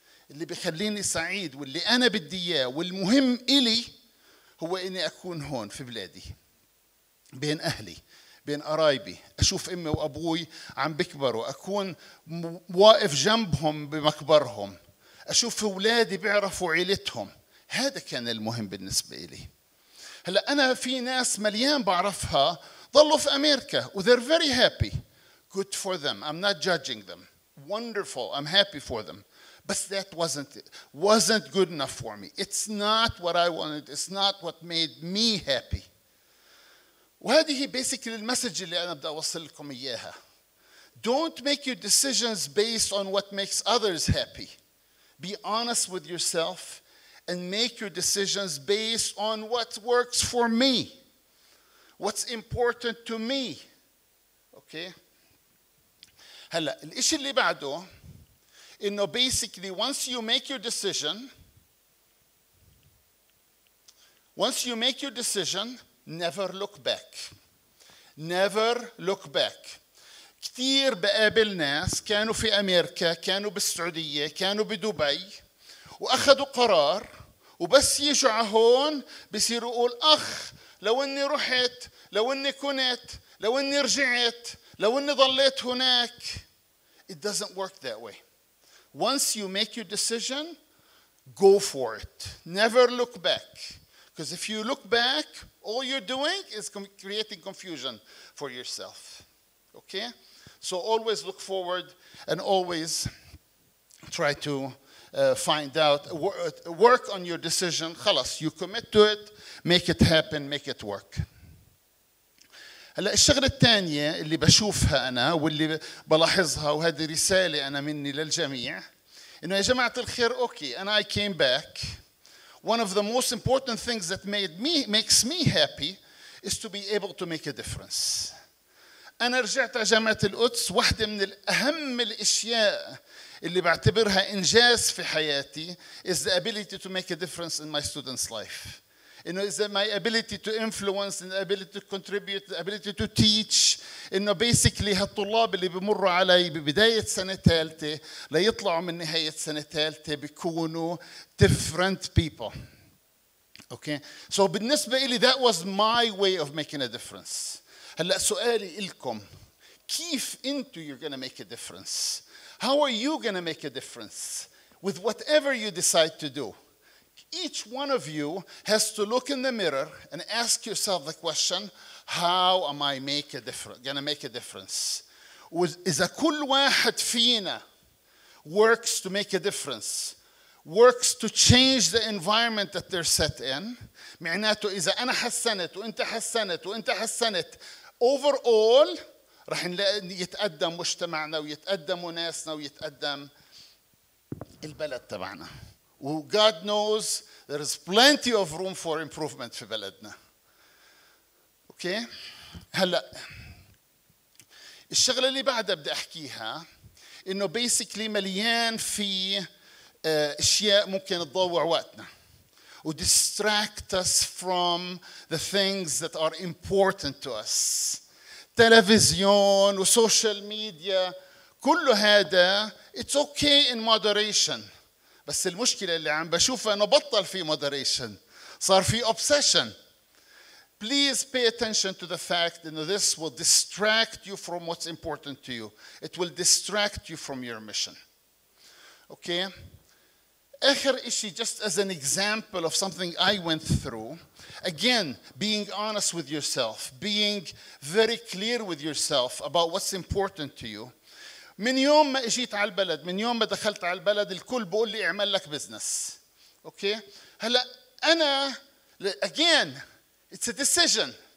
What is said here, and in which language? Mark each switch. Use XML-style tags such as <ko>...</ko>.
<ar>اللي بيخليني سعيد واللي أنا بدي إياه والمهم إلي هو إني أكون هون في بلادي بين أهلي بين قرايبي، أشوف أمي وأبوي عم بكبروا، أكون واقف جنبهم بمكبرهم، أشوف أولادي بيعرفوا عيلتهم. هذا كان المهم بالنسبة إلي. هلأ أنا في ناس مليان بعرفها ظلوا في أمريكا و</ar> <en>they're very happy. Good for them. I'm not judging them. Wonderful. I'm happy for them. But that wasn't good enough for me. It's not what I wanted. It's not what made me happy.</en> <ar>وهذه basically المسج اللي أنا بدأ أوصل لكم إياها.</ar> <en>Don't make your decisions based on what makes others happy. Be honest with yourself and make your decisions based on what works for me. What's important to me. Okay?</en> <ar>هلأ الإشي اللي بعده إنه</ar> <en>basically once you make your decision never look back. Never look back.</en> <ar>كتير بقابل ناس كانوا في أمريكا، كانوا بالسعودية، كانوا بدبي، وأخذوا قرار وبس يجوا هون بيصيروا يقول أخ لو إني رحت، لو إني كنت، لو إني رجعت، لو إني ظليت هناك.</ar> <en>It doesn't work that way. Once you make your decision, go for it. Never look back. Because if you look back, all you're doing is creating confusion for yourself. Okay? So always look forward and always try to find out, work on your decision. خلاص, you commit to it, make it happen, make it work.</en> <ar>الشغلة الثانية اللي بشوفها أنا واللي بلاحظها وهذه رسالة أنا مني للجميع إنه يا جماعة الخير أوكي</ar> <en>and I came back. One of the most important things that makes me happy is to be able to make a difference.</en> <ar>أنا رجعت على جامعة القدس. واحدة من الأهم الأشياء اللي بعتبرها إنجاز في حياتي</ar> <en>is the ability to make a difference in my students' life. You know, is that my ability to influence, and the ability to contribute, the ability to teach. You know, basically, the students</en> <ar>اللي بمروا علي ببداية سنة ثالثة ليطلعوا من نهاية سنة ثالثة بيكونوا</ar> <en>different people. Okay. So,</en> <ar>بالنسبة إلي,</ar> <en>that was my way of making a difference.</en> <ar>هلا سؤالي إلكم, كيف أنتوا</ar> <en>you're gonna make a difference? How are you gonna make a difference with whatever you decide to do? Each one of you has to look in the mirror and ask yourself the question, how am I going to make a difference?</en> <ar>إذا كل واحد فينا</ar> <en>works to make a difference, works to change the environment that they're set in,</en> <ar>معناته إذا أنا حسنت وإنت حسنت</ar> <en>وإنت حسنت, overall,</en> <ar>رح يتقدم مجتمعنا ويتقدم ناسنا ويتقدم البلد تبعنا.</ar> <en>و God knows there is plenty of room for improvement</en> <ar>في بلدنا. اوكي؟ هلأ الشغلة اللي بعدها بدي أحكيها إنه basically مليان في أشياء ممكن تضوع وقتنا و</ar> <en>distract us from the things that are important to us.</en> <ar>تلفزيون وسوشيال ميديا كل هذا</ar> <en>it's okay in moderation.</en> <ar>بس المشكلة اللي عم بشوفها إنه بطل في moderation, صار في obsession.</ar> <en>Please pay attention to the fact that this will distract you from what's important to you. It will distract you from your mission. Okay?</en> <ar>آخر إشي,</ar> <en>just as an example of something I went through, again, being honest with yourself, being very clear with yourself about what's important to you.</en> <ar>من يوم ما إجيت على البلد, من يوم ما دخلت على البلد, الكل بقول لي اعمل لك بزنس.</ar> <en>Okay?</en> <ar>هلأ أنا,</ar> <en>again, it's a decision.</en>